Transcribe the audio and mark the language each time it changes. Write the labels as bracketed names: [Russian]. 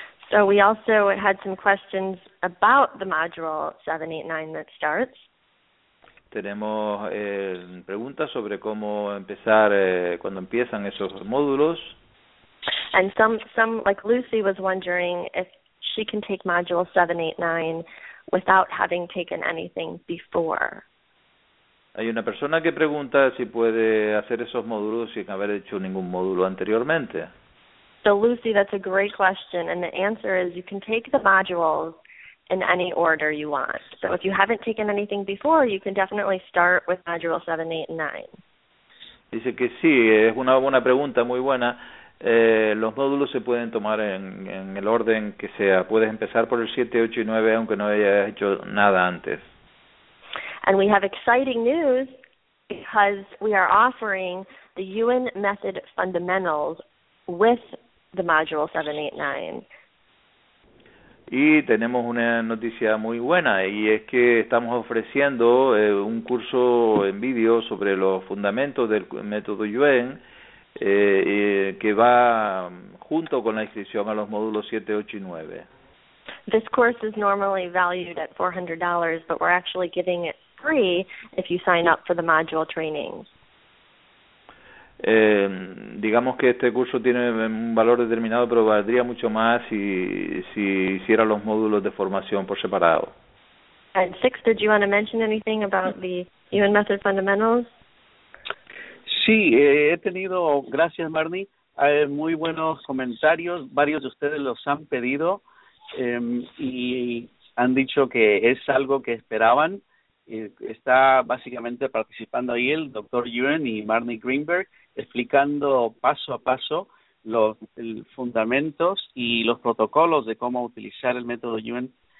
[English] So we also had some questions about the module 7, 8, 9 that starts. [Spanish] Tenemos preguntas sobre cómo empezar cuando empiezan esos módulos. [English] And some like Lucy was wondering if she can take module 7, 8, 9 without having taken anything before. [Spanish] Hay una persona que pregunta si puede hacer esos módulos sin haber hecho ningún módulo anteriormente. [English] So Lucy, that's a great question, and the answer is you can take the modules in any order you want. So if you haven't taken anything before, you can definitely start with module 7, 8, and 9. [Spanish] Dice que sí, es una buena pregunta, muy buena. Los módulos se pueden tomar en el orden que sea. Puedes empezar por el 7, 8 y 9, aunque no hayas hecho nada antes. [English] And we have exciting news because we are offering the UN Method Fundamentals with the module 7, 8, 9. [Spanish] Y tenemos una noticia muy buena, y es que estamos ofreciendo un curso en vídeo sobre los fundamentos del método Yuen, que va junto con la inscripción a los módulos 7, 8 y 9. [English] This course is normally valued at $400, but we're actually giving it free if you sign up for the module trainings. [Spanish] Digamos que este curso tiene un valor determinado, pero valdría mucho más si hiciera los módulos de formación por separado. [English] And Six, did you want to mention anything about the UN Method Fundamentals? [Spanish] Sí, he tenido, gracias Marnie, hay muy buenos comentarios, varios de ustedes los han pedido y han dicho que es algo que esperaban. Está básicamente participando ahí el Dr. Yuen y Marnie Greenberg explicando paso a paso los fundamentos y los protocolos de cómo utilizar el método Yuen.